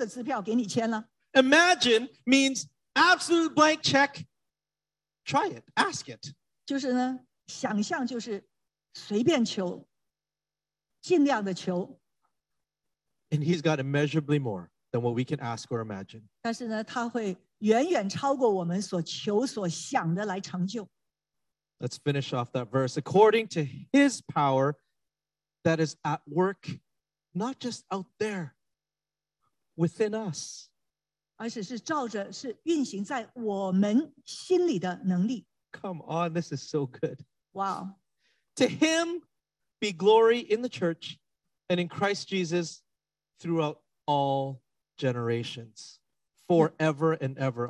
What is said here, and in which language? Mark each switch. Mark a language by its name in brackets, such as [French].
[Chinese] 所以可以说是一个就是一个空的支票给你签了。 [English] Imagine means absolute blank check. Try it. Ask it. [Chinese] 就是呢, 想象就是随便求, 尽量的求。 [English] And he's got immeasurably more than what we can ask or imagine. [Chinese] 但是呢, 他会远远超过我们所求所想的来成就。 [English] Let's finish off that verse. According to his power that is at work, not just out there, within us. [Chinese] 而且是照着是运行在我们心里的能力。 [English] Come on, this is so good. Wow. To him be glory in the church and in Christ Jesus throughout all generations, forever and ever.